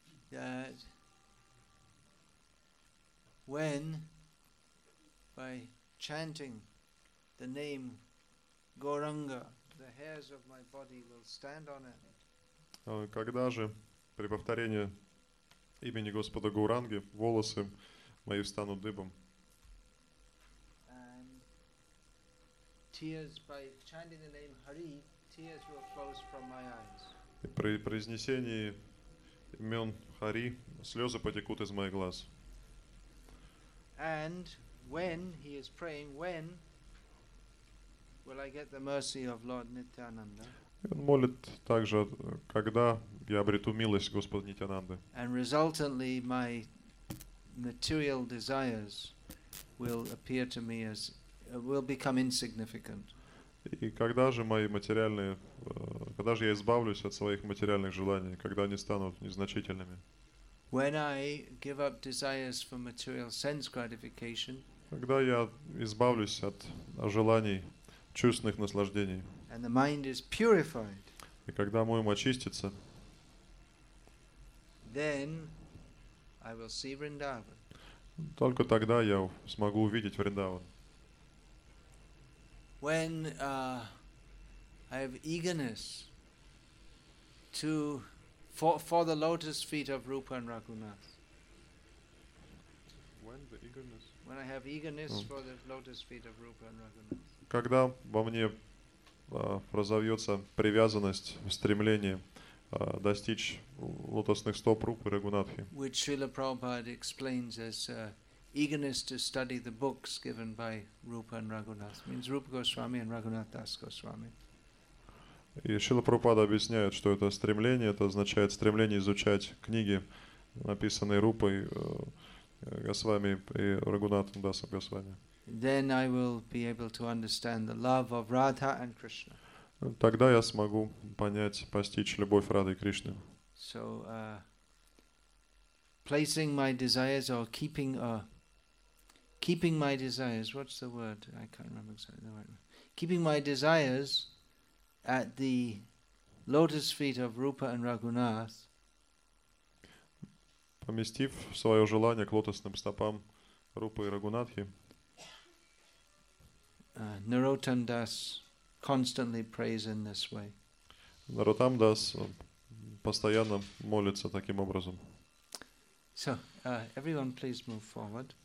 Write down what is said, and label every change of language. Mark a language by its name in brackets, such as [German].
[English] That when by chanting the name Gauranga, the hairs of my body will stand on end. [Russian] Когда же при повторении имени Господа Гауранги волосы мои встанут дыбом? [English] And tears by chanting the name Hari, tears will flow from my eyes. [Russian] При произнесении имен Хари, слезы потекут из моих глаз. [English] And when he is praying, when will I get the mercy of Lord Nityananda? [Russian] Он молит также, когда я обрету милость Господа Нитянанды. [English] And resultantly my material desires will appear to me as will become insignificant. [Russian] И когда же мои материальные, когда же я избавлюсь от своих материальных желаний, когда они станут незначительными? [English] When I give up desires for material sense gratification, [Russian] когда я избавлюсь от желаний чувственных наслаждений, [English] and the mind is purified, [Russian] и когда мой ум очистится, [English] then I will see Vrindavan. [Russian] Только тогда я смогу увидеть Вриндаван. [English] When I have eagerness to for the lotus feet of Rupa and Raghunath. When the eagerness. When I have eagerness for the lotus feet of Rupa and Raghunath. [Russian] Когда во мне разовьется привязанность, стремление достичь лотосных стоп Рупы и Рагунатхи. [English] Which Srila Prabhupada explains as eagerness to study the books given by Rupa and Raghunath means Rupa Goswami and Raghunath Das Goswami. [Russian] И Шрила Прабхупада объясняет, что это стремление, это означает стремление изучать книги, написанные Рупой Госвами и Рагунатом Дасом Госвами. [English] Then I will be able to understand the love of Radha and Krishna. [Russian] Тогда я смогу понять, постичь любовь Рады Кришны. [English] So, placing my desires or keeping my desires, what's the word? I can't remember exactly the right word. Keeping my desires at the lotus feet of Rupa and Raghunath. [Russian] Поместив свое желание к лотосным стопам Рупы и Рагунатхи. [English] Narottam Das constantly prays in this way. [Russian] Narottam Das постоянно молится таким образом. [English] So, everyone please move forward.